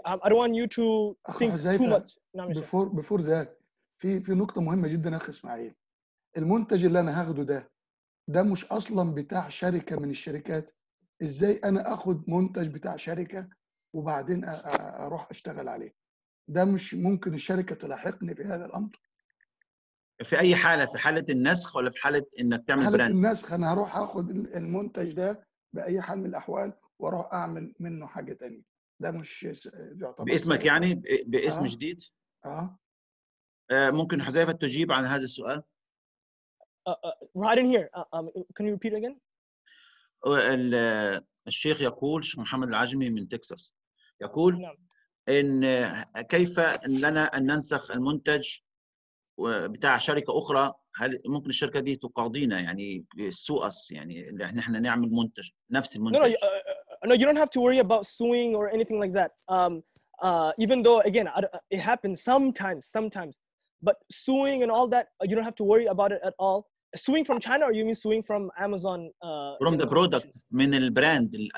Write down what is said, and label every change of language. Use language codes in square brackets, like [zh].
[en] I don't want you to think too much. Before that, [ar] في نقطة مهمة جدا أخي إسماعيل، المنتج اللي أنا هاخده ده مش أصلا بتاع شركة من الشركات، إزاي أنا أخد منتج بتاع شركة وبعدين أروح أشتغل عليه؟ ده مش ممكن الشركة تلاحقني في هذا الأمر؟ في أي حالة، في حالة النسخ ولا في حالة إنك تعمل براند؟ حالة النسخ، أنا هروح أخد المنتج ده بأي حال من الأحوال وأروح أعمل منه حاجة تانية، ده مش يعتبر باسمك سيارة. يعني باسم جديد؟ ممكن حذيفة تجيب عن هذا السؤال؟ [en] right in here. Can you repeat again? [ar] الشيخ يقول، الشيخ محمد العجمي من تكساس يقول، إن كيف لنا أن ننسخ المنتج بتاع شركة أخرى، هل ممكن الشركة دي تقاضينا يعني سوءس يعني إحنا نعمل منتج نفس المنتج؟ [en] No, you don't have to worry about suing or anything like that. Even though, again, it happens sometimes. But suing and all that, you don't have to worry about it at all. Suing from China, or you mean suing from Amazon? From the product, [ar] من البراند.